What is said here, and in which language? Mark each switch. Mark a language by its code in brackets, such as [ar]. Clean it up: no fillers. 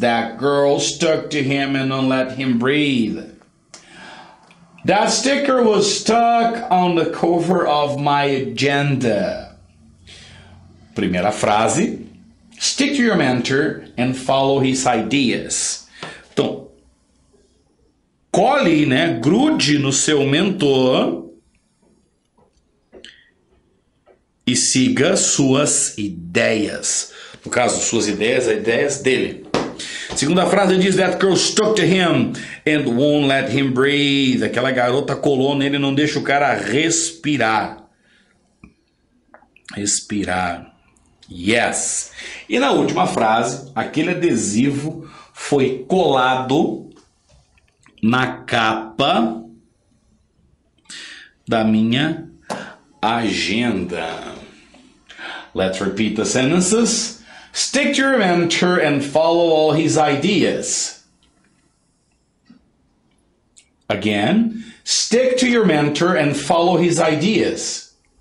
[en] That girl stuck to him and don't let him breathe. That sticker was stuck on the cover of my agenda. [pt] Primeira frase: [en] stick to your mentor and follow his ideas. [pt] Então, cole, né? Grude no seu mentor e siga suas ideias. No caso, suas ideias, as ideias dele. Segunda frase diz, [en] that girl stuck to him and won't let him breathe. [pt] Aquela garota colou nele e não deixa o cara respirar. Respirar. [en] Yes. [pt] E na última frase, aquele adesivo foi colado na capa da minha agenda. [en] Let's repeat the sentences. Stick to your mentor and follow all his ideas. Again, stick to your mentor and follow his ideas.